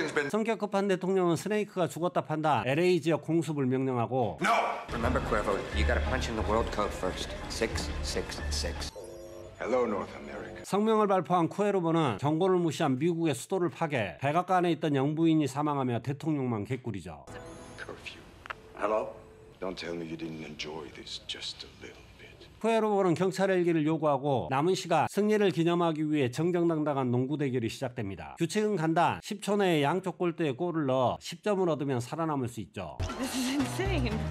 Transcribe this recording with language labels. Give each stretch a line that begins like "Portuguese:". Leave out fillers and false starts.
Korean: 성격 급한 대통령은 스네이크가 죽었다 판다 LA 지역 공습을 명령하고
English: No! Remember, Cuervo, you gotta punch in the world code first. 666. Hello, North America.
Korean: 성명을 발표한 쿠에르보는 경고를 무시한 미국의 수도를 파괴, 백악관에 있던 영부인이 사망하며 대통령만 개꿀이죠.
English: Curfew. Hello? Don't tell me you didn't enjoy this just a little bit.
Korean: 쿠에르보는 경찰 헬기를 요구하고 남은 시간 승리를 기념하기 위해 정정당당한 농구 대결이 시작됩니다. 규칙은 간단. 10초 내에 양쪽 골대에 골을 넣어 10점을 얻으면 살아남을 수 있죠.
English: This is insane.